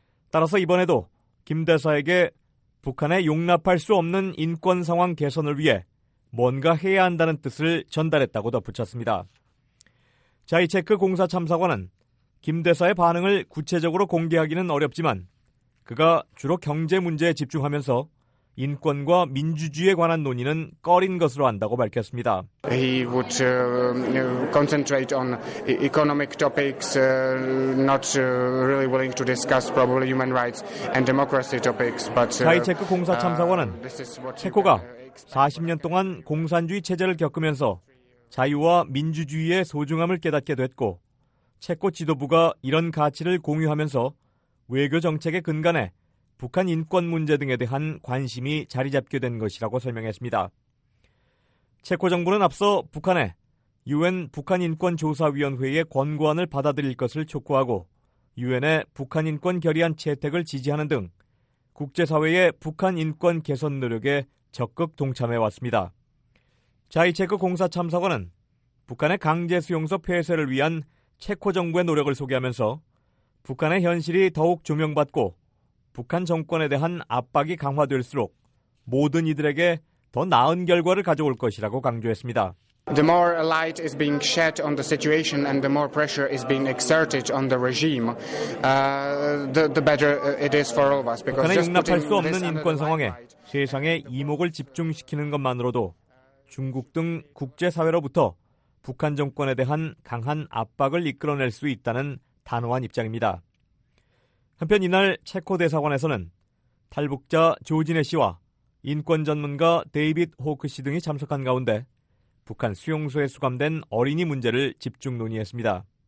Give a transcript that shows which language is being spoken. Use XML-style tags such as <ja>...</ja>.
<ko>따라서 이번에도 김 대사에게 북한에 용납할 수 없는 인권 상황 개선을 위해 뭔가 해야 한다는 뜻을 전달했다고 덧붙였습니다. 자이체크 공사 참사관은 김 대사의 반응을 구체적으로 공개하기는 어렵지만 그가 주로 경제 문제에 집중하면서 인권과 민주주의에 관한 논의는 꺼린 것으로 안다고 밝혔습니다.</ko> <en>He would concentrate on economic topics, not really willing to discuss probably human rights and democracy topics. But</en> <ko>자이체크 공사 참사관은 체코가 40년 동안 공산주의 체제를 겪으면서 자유와 민주주의의 소중함을 깨닫게 됐고 체코 지도부가 이런 가치를 공유하면서 외교 정책의 근간에 북한 인권 문제 등에 대한 관심이 자리 잡게 된 것이라고 설명했습니다. 체코 정부는 앞서 북한에 UN 북한인권조사위원회의 권고안을 받아들일 것을 촉구하고 UN의 북한인권 결의안 채택을 지지하는 등 국제사회의 북한 인권 개선 노력에 적극 동참해왔습니다. 자이체크 공사 참사관은 북한의 강제수용소 폐쇄를 위한 체코 정부의 노력을 소개하면서 북한의 현실이 더욱 조명받고 북한 정권에 대한 압박이 강화될수록 모든 이들에게 더 나은 결과를 가져올 것이라고 강조했습니다.</ko> <en>The more light is being shed on the situation and the more pressure is being exerted on the regime, the better it is for all of us. Because</en> <ko>북한에 용납할 수 없는 인권 상황에 세상의 이목을 집중시키는 것만으로도 중국 등 국제사회로부터 북한 정권에 대한 강한 압박을 이끌어낼 수 있다는 단호한 입장입니다. 한편 이날 체코 대사관에서는 탈북자 조진혜 씨와 인권 전문가 데이빗 호크 씨 등이 참석한 가운데 북한 수용소에 수감된 어린이 문제를 집중 논의했습니다.</ko>